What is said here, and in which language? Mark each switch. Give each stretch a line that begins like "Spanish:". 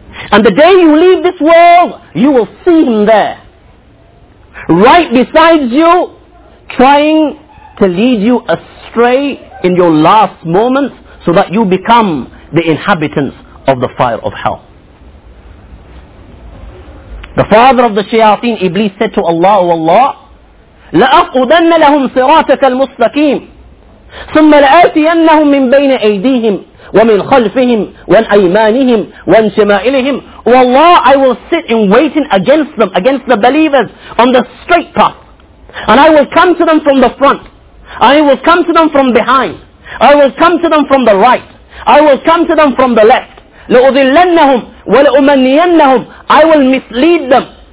English: And the day you leave this world, you will see him there. Right beside you, trying to lead you astray in your last moments so that you become the inhabitants of the fire of hell. The father of the shayateen, Iblis, said to Allah, O Allah,
Arabic: لَأَقْعُدَنَّ لَهُمْ صِرَاتَكَ الْمُسْتَقِيمِ ثُمَّ لَآتِيَنَّهُمْ مِنْ بَيْنَ أَيْدِيهِمْ وَمِنْ خَلْفِهِمْ وَنْ أَيْمَانِهِمْ وَنْ شِمَائِلِهِمْ.
English: Wallah, I will sit in waiting against them, against the believers, on the straight path. And I will come to them from the front. I will come to them from behind. I will come to them from the right. I will come to them from the left.
Arabic: لَأُذِلَّنَّهُمْ وَلَأُمَنِّيَنَّهُمْ.
English: I will mislead them.